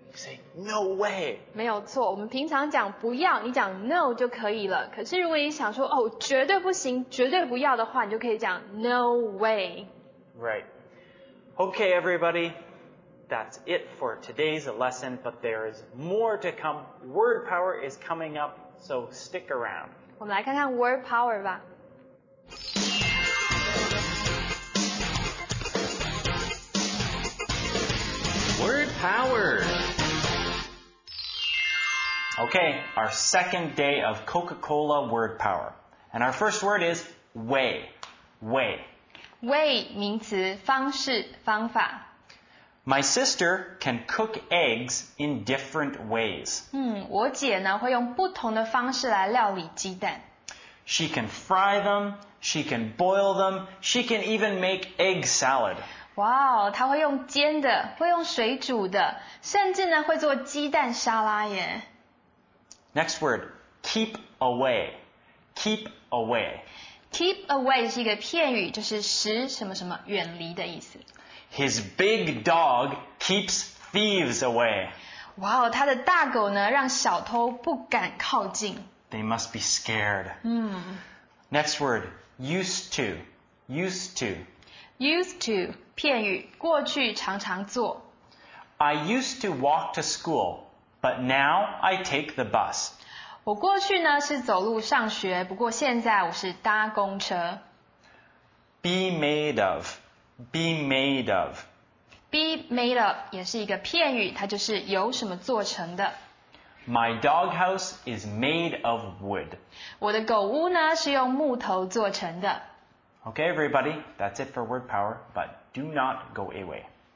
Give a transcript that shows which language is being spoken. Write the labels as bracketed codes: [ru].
[en] You say no way. [zh] 没有错，我们平常讲不要，你讲 no 就可以了。可是如果你想说哦，绝对不行，绝对不要的话，你就可以讲 [en] no way. Right. Okay, everybody. That's it for today's lesson, but there is more to come. Word power is coming up, so stick around. [zh] 我们来看看 word power 吧。 [en] Word power. Okay, our second day of Coca-Cola word power. And our first word is way. Way. [zh] Way, 名词，方式，方法。 [en] My sister can cook eggs in different ways. [zh] 我姐呢，会用不同的方式来料理鸡蛋。 [en] She can fry them, she can boil them, she can even make egg salad. [zh] 哇哦，他会用煎的，会用水煮的，甚至呢会做鸡蛋沙拉耶。 [en] Next word, keep away. Keep away. Keep away [zh] 是一个片语，就是使什么什么远离的意思。 [en] His big dog keeps thieves away. [zh] 哇哦，他的大狗呢让小偷不敢靠近。 [en] They must be scared. Next word, used to. Used to. Used to, [zh] 片语，过去常常做。 [en] I used to walk to school, but now I take the bus. [zh] 我过去呢是走路上学，不过现在我是搭公车。 [en] Be made of, be made of. Be made of [zh] 也是一个片语，它就是由什么做成的。 [en] My doghouse is made of wood. [zh] 我的狗屋呢是用木头做成的。 [en] Okay, everybody, that's it for Word Power, but do not go away.